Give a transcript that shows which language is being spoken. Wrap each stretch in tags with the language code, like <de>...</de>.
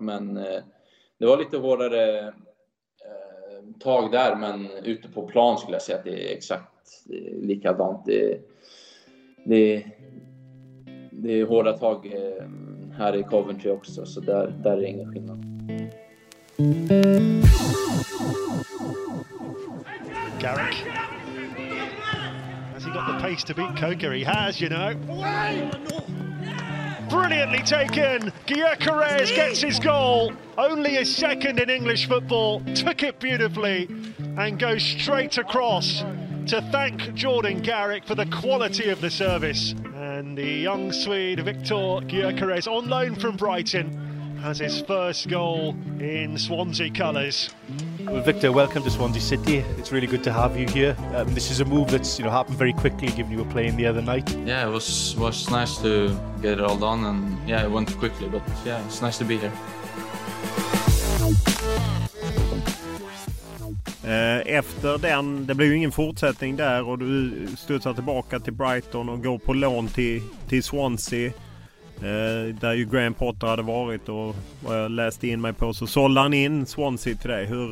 <sv>Men det var lite hårdare tag där. Men ute på plan skulle jag säga att det är exakt likadant. Det är hårda tag här i Coventry också, så där är ingen skillnad.</sv> <en>Garrick. Has he got the pace to beat Coker? He has, you know. Brilliantly taken. Gyökeres gets his goal. Only his second in English football. Took it beautifully and goes straight across to thank Jordan Garrick for the quality of the service. And the young Swede, Victor Gyökeres, on loan from Brighton, has his first goal in Swansea colours. Well, Victor, welcome to Swansea City. It's really good to have you here. This is a move that's, you know, happened very quickly, given you were playing the other night. Yeah, it was nice to get it all done, and yeah, it went quickly, but yeah, it's nice to be here.</en> <sv>Efter den, det blev ju ingen fortsättning där, och du studsar tillbaka till Brighton och går på lån till Swansea, där ju Graham Potter hade varit, och vad jag läste in mig på så sålde han in Swansea till dig.</sv>